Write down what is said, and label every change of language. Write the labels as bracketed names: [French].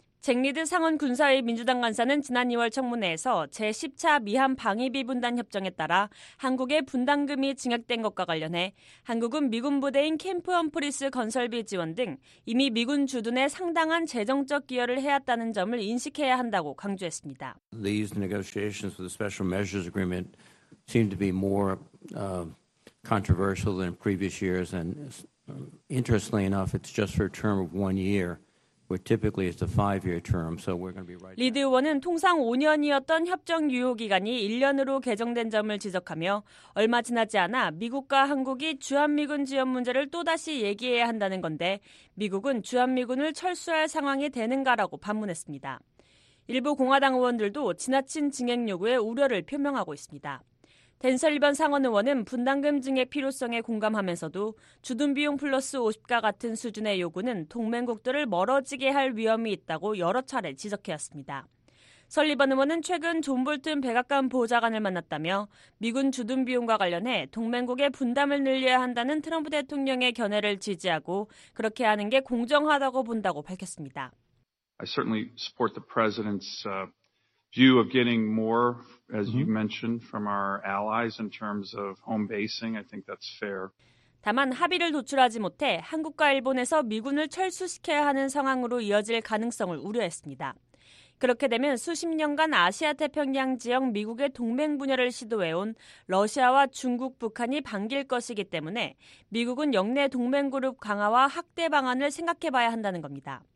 [Korean] 잭 리드 상원 군사위 민주당 간사는 지난 2월 청문회에서 제10차 미한 방위비 분담 협정에 따라 한국의 분담금이 증액된 것과 관련해 한국은 미군 부대인 캠프 험프리스 건설비 지원 등 이미 미군 주둔에 상당한 재정적 기여를 해왔다는 점을 인식해야 한다고 강조했습니다. [English] These negotiations for the special measures agreement seem to be more controversial than previous years and interestingly enough it's just for a term of one year. [Korean] 리드 의원은 통상 5년이었던 협정 유효기간이 1년으로 개정된 점을 지적하며 얼마 지나지 않아 미국과 한국이 주한미군 지원 문제를 또다시 얘기해야 한다는 건데 미국은 주한미군을 철수할 상황이 되는가라고 반문했습니다. 일부 공화당 의원들도 지나친 증액 요구에 우려를 표명하고 있습니다. 댄 설리번 상원 의원은 분담금 증액 필요성에 공감하면서도 주둔 비용 플러스 50과 같은 수준의 요구는 동맹국들을 멀어지게 할 위험이 있다고 여러 차례 지적해왔습니다. 설리번 의원은 최근 존 볼튼 백악관 보좌관을 만났다며 미군 주둔 비용과 관련해 동맹국의 분담을 늘려야 한다는 트럼프 대통령의 견해를 지지하고 그렇게 하는 게 공정하다고 본다고 밝혔습니다. [English] I certainly support the president's view of getting more, as you mentioned, from our allies in terms of home basing. I think that's fair. [Korean] 다만 합의를 도출하지 못해 한국과 일본에서 미군을 철수시켜야 하는 상황으로 이어질 가능성을 우려했습니다. 그렇게 되면 수십 년간 아시아 태평양 지역 미국의 동맹 분열을 시도해온 러시아와 중국, 북한이 반길 것이기 때문에 미국은 역내 동맹 그룹 강화와 확대 방안을 생각해봐야 한다는 겁니다.